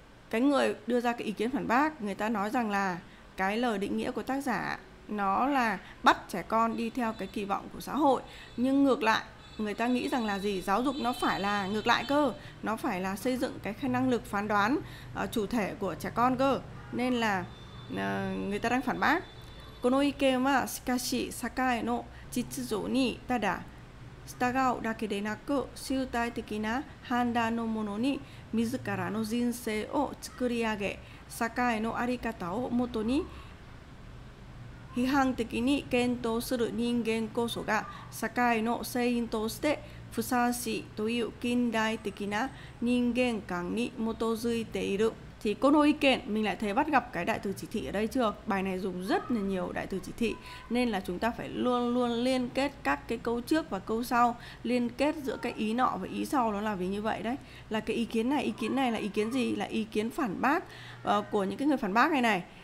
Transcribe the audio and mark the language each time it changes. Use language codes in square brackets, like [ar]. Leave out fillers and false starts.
[vi] cái người đưa ra cái ý kiến phản bác, người ta nói rằng là cái lời định nghĩa của tác giả nó là bắt trẻ con đi theo cái kỳ vọng của xã hội, nhưng ngược lại người ta nghĩ rằng là gì, giáo dục nó phải là ngược lại cơ, nó phải là xây dựng cái khả năng lực phán đoán chủ thể của trẻ con cơ, nên là người ta đang phản bác. [ja] この意見はしかし社会の実情にただ従うだけでなく、集体的な判断のものに自らの人生を作り上げ、社会のあり方をもとに批判的に検討する人間こそが社会の成員としてふさわしいという近代的な人間観に基づいている。 [vi] Thì cô nô ý kiến, mình lại thấy bắt gặp cái đại từ chỉ thị ở đây chưa? Bài này dùng rất là nhiều đại từ chỉ thị, nên là chúng ta phải luôn luôn liên kết các cái câu trước và câu sau, liên kết giữa cái ý nọ và ý sau, nó là vì như vậy đấy. Là cái ý kiến này là ý kiến gì? Là ý kiến phản bác của những cái người phản bác này này.